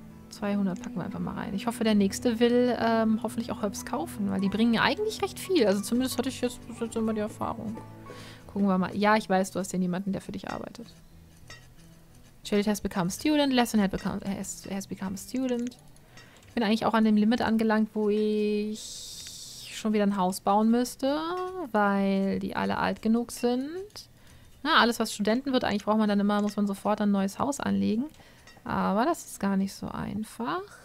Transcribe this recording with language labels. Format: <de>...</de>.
<de>200 packen wir einfach mal rein. Ich hoffe, der nächste will hoffentlich auch Herbs kaufen, weil die bringen eigentlich recht viel. Also zumindest hatte ich jetzt immer die Erfahrung. Gucken wir mal. Ja, ich weiß, du hast ja niemanden, der für dich arbeitet.</de> <en>Child has become student. Lesson has become student.</en> <de>Ich bin eigentlich auch an dem Limit angelangt, wo ich schon wieder ein Haus bauen müsste, weil die alle alt genug sind. Na, alles, was Studenten wird, eigentlich braucht man dann immer, muss man sofort ein neues Haus anlegen. Aber das ist gar nicht so einfach.</de>